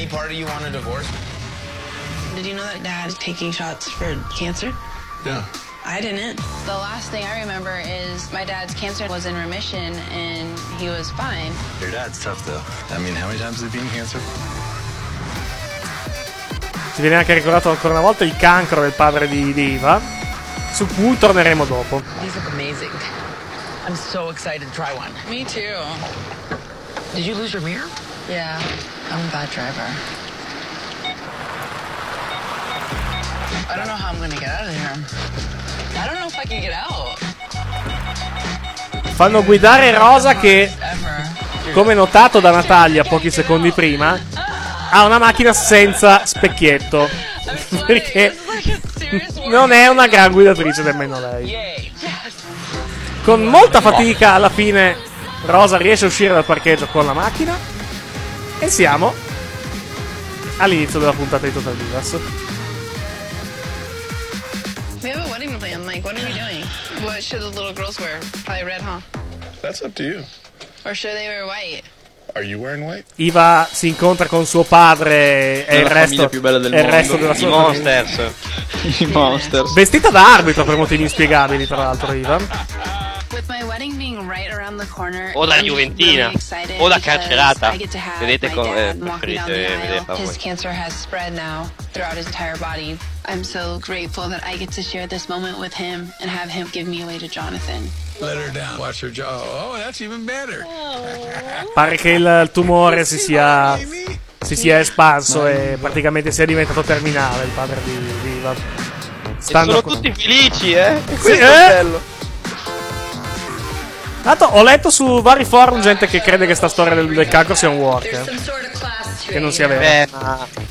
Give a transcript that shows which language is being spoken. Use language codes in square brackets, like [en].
[en] Did you know that Dad is taking shots for cancer? Yeah. I didn't. The last thing I remember is my dad's cancer was in remission and he was fine. Your dad's tough though. I mean, how many times has he been cancer? [it] Ci viene anche ricordato ancora una volta il cancro del padre di Eva, su cui torneremo dopo. [en] These look amazing. I'm so excited to try one. Me too. Did you lose your mirror? Yeah, I'm a bad driver. I don't know how I'm gonna get out of here. I don't know if I can get out. [it] Fanno guidare Rosa che, come notato da Natalia pochi secondi prima, ha una macchina senza specchietto. Perché non è una gran guidatrice nemmeno lei. Con molta fatica alla fine Rosa riesce a uscire dal parcheggio con la macchina. E siamo all'inizio della puntata di Total Divas. [en] We have a wedding to something. I'm like, what are we doing? What should the little girls wear? Probably red, huh? That's up to you. Or should they wear white? Are you wearing white? [it] Iva si incontra con suo padre e il resto, più bella del e il resto della sua famiglia. I Monsters. I Monsters. Vestita da arbitro per motivi inspiegabili, tra l'altro, Iva. [en] With my wedding being right around the corner, [it] o da Juventina, really, o da carcerata. Vedete come preferite vedere. [en] His cancer has spread now throughout his entire body. I'm so grateful that I get to share this moment with him and have him give me away to Jonathan. Let her down. Watch her jaw. Oh, that's even better. [it] Pare che il tumore si sia espanso e praticamente sia diventato terminale. Il padre di Viva. Stando e sono tutti felici, eh? Sì, questo è bello. Tanto ho letto su vari forum gente che crede che sta storia del cancro sia un work, che non sia vero.